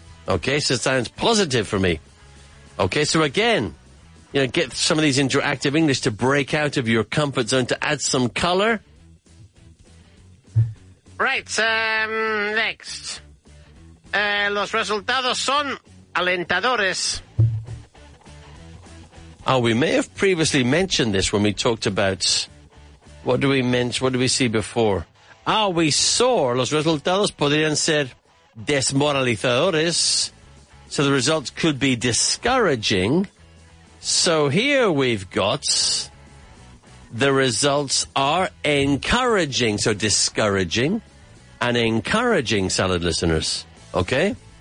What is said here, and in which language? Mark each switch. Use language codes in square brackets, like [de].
[en] Okay, so it sounds positive for me. Okay, so again, you know, get some of these into active English to break out of your comfort zone, to add some color. Right, next. [es] Los resultados son alentadores. [en] Oh, we may have previously mentioned this when we talked about... What do we see before? [es] Ah, [en] we saw [es] los resultados podrían ser desmoralizadores. [en] So the results could be discouraging. So here we've got the results are encouraging. So discouraging and encouraging, salad listeners. Okay?